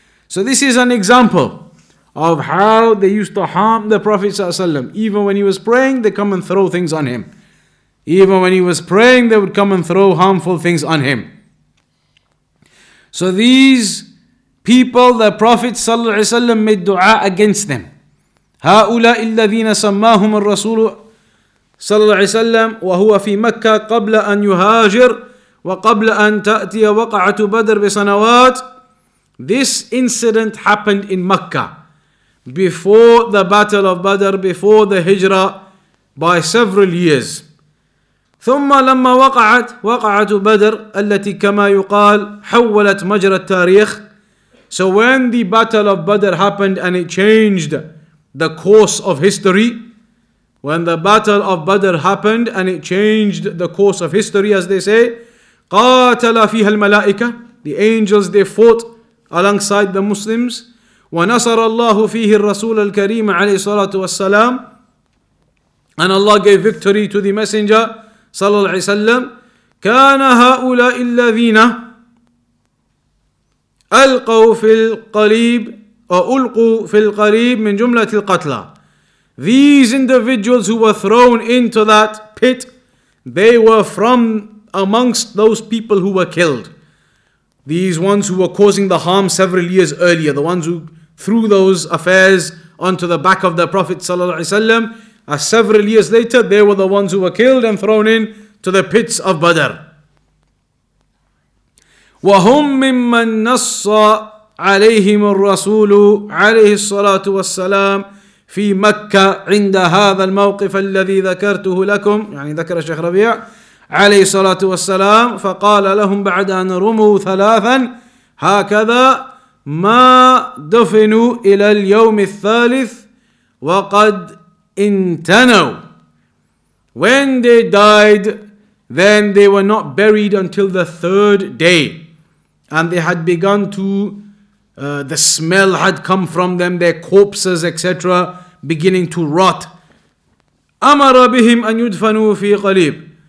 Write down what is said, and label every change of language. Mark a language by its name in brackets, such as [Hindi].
[English] So this is an example of how they used to harm the Prophet ﷺ. Even when he was praying, they come and throw things on him. Even when he was praying, they would come and throw harmful things on him. So these people the Prophet sallallahu alaihi wasallam made dua against them. [Arabic] هؤلاء الذين سماهم الرسول صلى الله عليه وسلم وهو في مكة قبل أن يهاجر وقبل أن تأتي وقعة بدر بسنوات. [English] This incident happened in Mecca before the battle of Badr, before the Hijra, by several years. [Arabic] ثم لما وقعت وقعة بدر التي كما يقال حولت مجرى التاريخ. [English] So when the battle of Badr happened and it changed the course of history, when the battle of Badr happened and it changed the course of history, as they say, [Arabic] قاتل فيها الملائكة, [English] the angels they fought alongside the Muslims, [Arabic] ونصر الله فيه الرسول الكريم عليه الصلاة والسلام, [English] and Allah gave victory to the messenger [Arabic] صلى الله عليه وسلم. كان هؤلاء الذين ألقوا في القليب وألقوا في القليب من جملة القتلى. [English] These individuals who were thrown into that pit, they were from amongst those people who were killed. These ones who were causing the harm several years earlier, the ones who threw those affairs onto the back of the Prophet sallallahu alaihi wasallam, as several years later, they were the ones who were killed and thrown in to the pits of Badr. [Arabic] وَهُمْ مِمَّنْ نَصَّ عَلَيْهِمُ الرَّسُولُ عَلَيْهِ الصَّلَاةُ وَالسَّلَامُ في مكة عند هذا الموقف الذي ذكرته لكم, يعني ذكر الشيخ ربيع عليه الصلاة والسلام, فقال لهم بعد أن رموا ثلاثا هكذا ما دفنوا إلى اليوم الثالث وقد انتنوا. [English] When they died, then they were not buried until the third day, and they had begun to the smell had come from them, their corpses etc. beginning to rot. [Arabic] أَمَرَ بِهِمْ أَنْ يُدْفَنُوا فِي قَلِيبٍ.